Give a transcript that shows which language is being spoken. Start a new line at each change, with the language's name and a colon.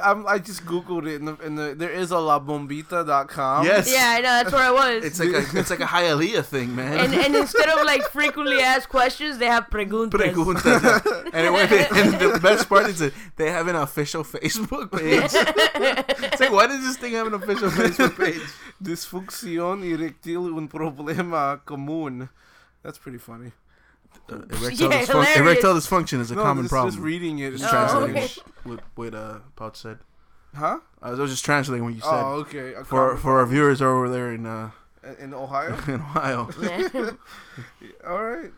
English: I just Googled it, there is a labombita.com. Yes. Yeah, I know. That's where I was. It's like a Hialeah thing, man. And instead of like frequently asked questions, they have preguntas. And the best part is that they have an official Facebook page. It's like, why does this thing have an official Facebook page?
Spanish: Disfunción eréctil un problema común.
English: That's pretty funny. Erectile dysfunction is a common problem. Just reading it. Just translating what Pouch said. Huh? I was just translating what you said. Oh, okay. For our viewers over there in... In Ohio? In Ohio. All right.